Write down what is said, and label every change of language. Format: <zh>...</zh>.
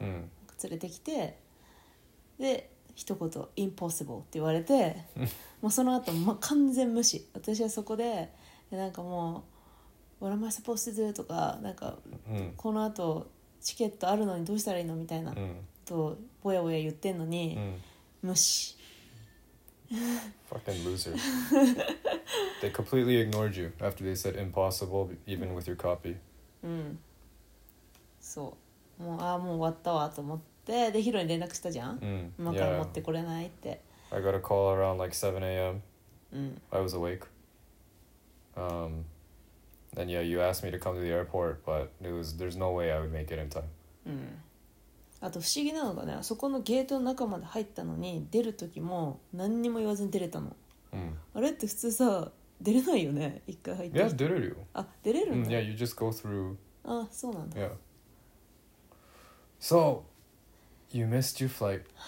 <ja>連れてきて、で、一言、impossible って言われて、もうその後、ま、完全無視。私はそこで、なんかもう、</ja> <en>What am I supposed to do?</en> <ja>とか、なんか、 mm. この後、チケットあるのにどうしたらいいのみたいな、 mm. と、ぼやぼや言ってんのに、 mm. 無視。</ja> <en>Fucking loser. They completely ignored you after they said impossible, even with your copy.</en> <ja>うん。そう。もう、ああ、もう終わったわと思って、で、ヒロに連絡したじゃん。うん。今から持ってこれないって。</ja> <en>I got a call around like 7 a.m.</en> <ja>うん。</ja> <en>I was awake. And yeah, you asked me to come to the airport, but there's no way I would make it in time.</en> <ja>あと不思議なのがね、そこのゲートの中まで入ったのに出る時も何にも言わずに出れたの。うん、あれって普通さ出れないよね、一回入って。いや、出れるよ。あ、出れる</ja> <en>の。Yeah, you just go through.</en> <ja>あ、そうなんだ。</ja> <en>Yeah. So, you missed your flight.</en>